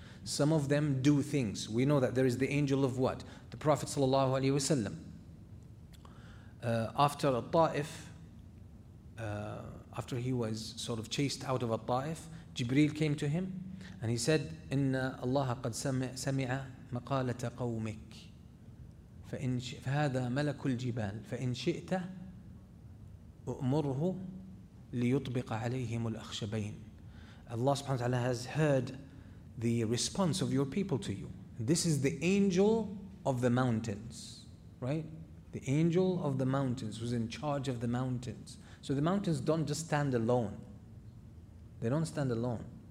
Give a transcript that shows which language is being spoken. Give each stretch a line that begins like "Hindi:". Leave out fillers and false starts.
English: Some of them do things. We know that there is the angel of what? The Prophet sallallahu alaihi wasallam. After al-Ta'if, after he was sort of chased out of al-Ta'if, Jibreel came to him and he said,
Arabic: إِنَّ اللَّهَ قَدْ سَمِعَ مَقَالَةَ قَوْمِكَ. فإن فهذا ملك الجبال فإن شئت أمره ليطبق عليهم الأخشبين.
English: Allah subhanahu wa ta'ala has heard the response of your people to you. This is the angel of the mountains, right? The angel of the mountains who's in charge of the mountains. So the mountains don't just stand alone. They don't stand alone.